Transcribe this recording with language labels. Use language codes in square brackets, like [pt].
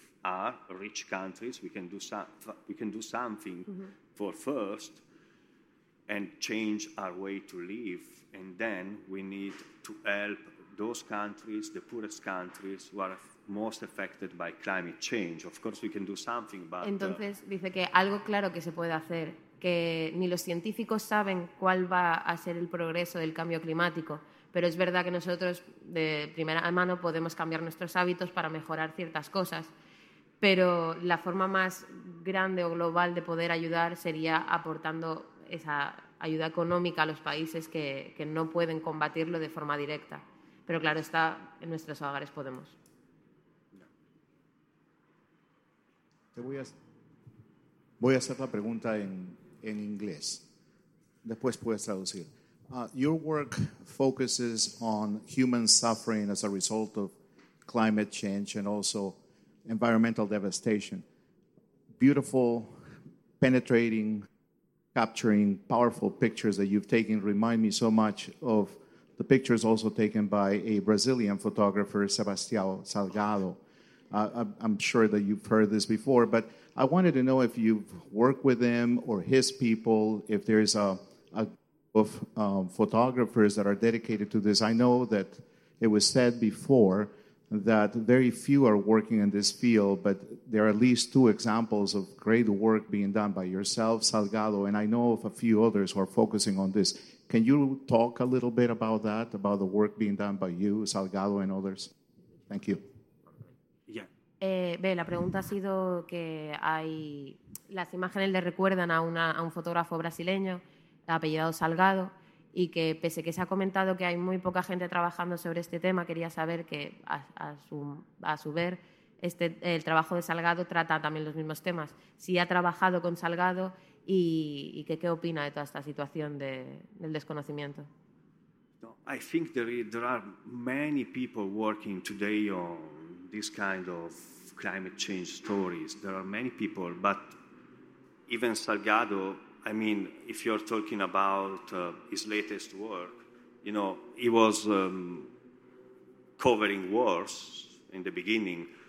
[en] Our rich countries, we can do something for first and change our way to live. And then we need to help those countries, the poorest countries, who are most affected by climate change. Of course, we can do something, but... [es] Entonces, dice que algo claro que se puede hacer, que ni los científicos saben cuál va a ser el progreso del cambio climático, pero es verdad que nosotros, de primera mano, podemos cambiar nuestros hábitos para mejorar ciertas cosas. pero la forma más grande o global de poder ayudar sería aportando esa ayuda económica a los países que no pueden combatirlo de forma directa. Pero claro, está en nuestros hogares Podemos. Te voy a hacer la pregunta en inglés. Después puedes traducir. [en] Your work focuses on human suffering as a result of climate change and also environmental devastation. Beautiful, penetrating, capturing, powerful pictures that you've taken remind me so much of the pictures also taken by a Brazilian photographer, Sebastião Salgado. I'm sure that you've heard this before, but I wanted to know if you've worked with him or his people, if there's a group of photographers that are dedicated to this. I know that it was said before that very few are working in this field, but there are at least two examples of great work being done by yourself, Salgado, and I know of a few others who are focusing on this. Can you talk a little bit about that, about the work being done by you, Salgado, and others? Thank you. [es] La pregunta ha sido que hay las imágenes le recuerdan a un fotógrafo brasileño apellidado Salgado y que pese que se ha comentado que hay muy poca gente trabajando sobre este tema, quería saber que a su ver este el trabajo de Salgado trata también los mismos temas. Si ha trabajado con Salgado y qué opina de toda esta situación del desconocimiento. [en] No, I think there are many people working today on this kind of climate change stories. There are many people, but even Salgado, I mean, if you're talking about his latest work, you know, he was covering wars in the beginning.